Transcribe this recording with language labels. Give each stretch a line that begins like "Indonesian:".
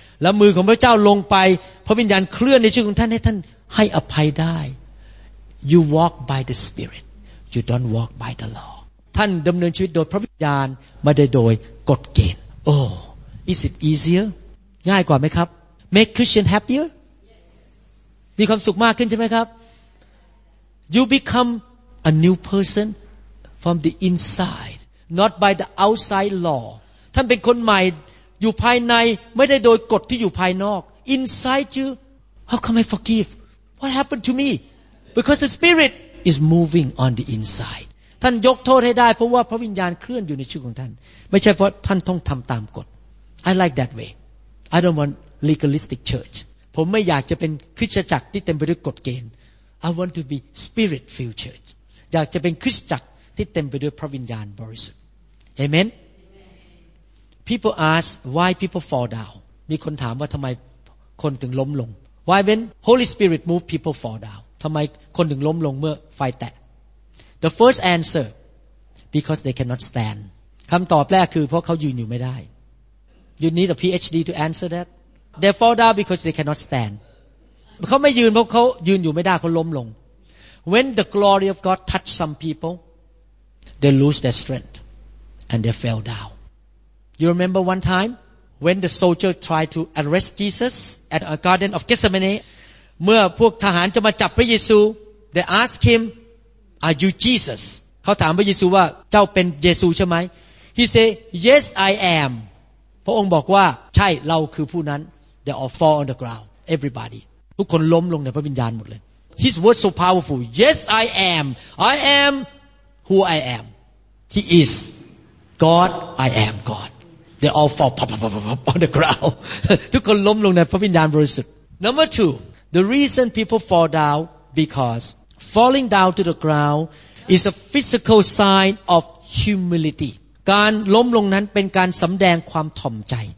Thai: แล้วมือของพระเจ้าลงไปพระวิญญาณเคลื่อนในชีวิตของท่านให้ท่านให้อภัยได้
English: you walk by the spirit you don't walk by the law
Thai: ท่านดำเนินชีวิตโดยพระวิญญาณไม่ได้โดยกฎเกณฑ์
English: oh is it easier
Thai: ง่ายกว่าไหมครับ
English: Make Christian happier?
Thai: มีความสุขมากขึ้นใช่ไหมครับ
English: You become a new person from the inside, not by the outside law.
Thai: ท่านเป็นคนใหม่อยู่ภายในไม่ได้โดยกฎที่อยู่ภายนอก
English: Inside you, how come I forgive? What happened to me? Because the Spirit is moving on the inside.
Thai: ท่านยกโทษให้ได้เพราะว่าพระวิญญาณเคลื่อนอยู่ในชีวิตของท่านไม่ใช่เพราะท่านต้องทำตามกฎ
English: I like that way. I don't wantLegalistic church.
Thai: ผมไม่อยากจะเป็นคริสตจักรที่เต็มไปด้วยกฎเกณฑ์
English: I want to be spirit-filled church.
Thai: อยากจะเป็นคริสตจักรที่เต็มไปด้วยพระวิญญาณบริสุทธิ์ Amen.
English: People ask why people fall down.
Thai: มีคนถามว่าทำไมคนถึงล้มลง
English: Why when Holy Spirit move people fall down?
Thai: ทำไมคนถึงล้มลงเมื่อไฟแตะ
English: The first answer, because they cannot stand.
Thai: คำตอบแรกคือเพราะเขายืนอยู่ไม่ได้
English: You need a PhD to answer that. They fall down because they cannot stand.
Thai: เขาไม่ยืนเพราะเขายืนอยู่ไม่ได้เขาล้มลง
English: When the glory of God touch some people, they lose their strength and they fell down. You remember one time when the soldier tried to arrest Jesus at a Garden of Gethsemane?
Thai: เมื่อพวกทหารจะมาจับพระเยซู
English: they ask him, "Are you Jesus?"
Thai: เขาถามพระเยซูว่าเจ้าเป็นเยซูใช่ไหม
English: He say, "Yes, I am."
Thai: พระองค์บอกว่าใช่เราคือผู้นั้น
English: They all fall on the ground, everybody.
Thai: ทุกคนล้มลงในพระวิญญาณหมดเลย
English: His word so powerful Yes I am I am who I am He is God I am God They all fall pop, pop, pop, pop, on the ground
Thai: ทุกคนล้มลงในพระวิญญาณบริสุทธิ์
English: Number two the reason people fall down because falling down to the ground is a physical sign of humility
Thai: การล้มลงนั้นเป็นการสำแดงความถ่อมใจ